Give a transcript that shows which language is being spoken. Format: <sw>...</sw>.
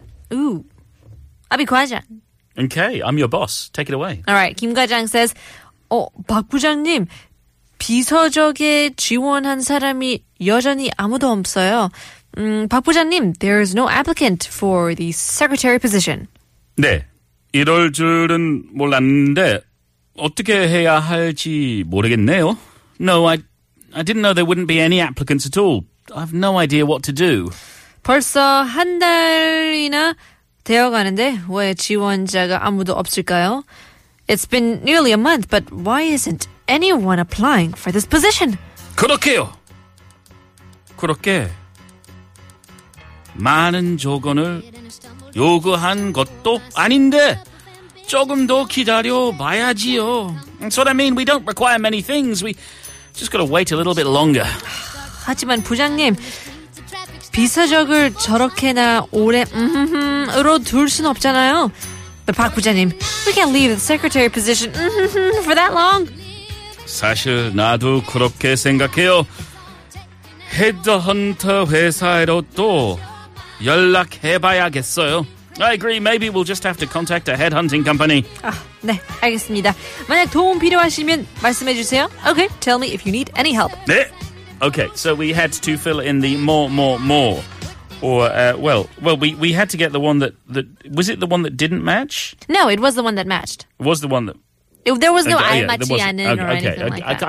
<en>I'll be Guajang. Okay, I'm your boss. Take it away. All right, Kim Gajang says, "Oh,</en> <ko>박 부장님, 비서적에 지원한 사람이 여전히 아무도 없어요.</ko> <en>박 부장님, there is no applicant for the secretary position."</en> <ko>네, 이럴 줄은 몰랐는데 어떻게 해야 할지 모르겠네요.</ko> <en>No, I didn't know there wouldn't be any applicants at all. I have no idea what to do.</en> <ko>벌써 한 달이나 되어가는데 왜 지원자가 아무도 없을까요?</ko> <en>It's been nearly a month, but why isn't anyone applying for this position?</en> <ko>그렇게요. 그렇게 많은 조건을 요구한 것도 아닌데 조금 더 기다려 봐야지요.</ko> <en>That's what I mean. We don't require many things. We just gotta wait a little bit longer.</en> <ko>하지만 부장님. 비서적을 저렇게나 오래 으흠흠으로 둘 순 없잖아요.</ko> <en>But 박 부장님, we can't leave the secretary position for that long.</en> <ko>사실 나도 그렇게 생각해요. 헤드헌터 회사로도 연락해봐야겠어요.</ko> <en>I agree. Maybe we'll just have to contact a headhunting company.</en> <ko>아, 네, 알겠습니다. 만약 도움 필요하시면 말씀해주세요.</ko> <en>Okay, tell me if you need any help.</en> <ko>네.</ko> <en>Okay, so we had to fill in the more, or we had to get the one that was it the one that didn't match? No, it was the one that matched. It was the one that there was no I matching in or anything like that.</en>